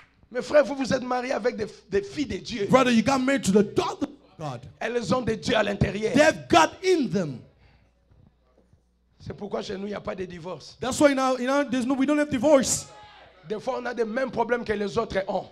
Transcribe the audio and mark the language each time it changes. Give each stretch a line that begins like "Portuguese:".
French: Mes frères, vous êtes mariés avec des filles de Dieu.
English: Brother, you got married to the daughter of God.
French: Elles ont des dieux à l'intérieur.
English: They have God in them.
French: C'est pourquoi chez nous il n'y a pas de divorce.
English: That's why you know there's no we don't have divorce.
French: Des fois, on a les mêmes problèmes que les autres ont.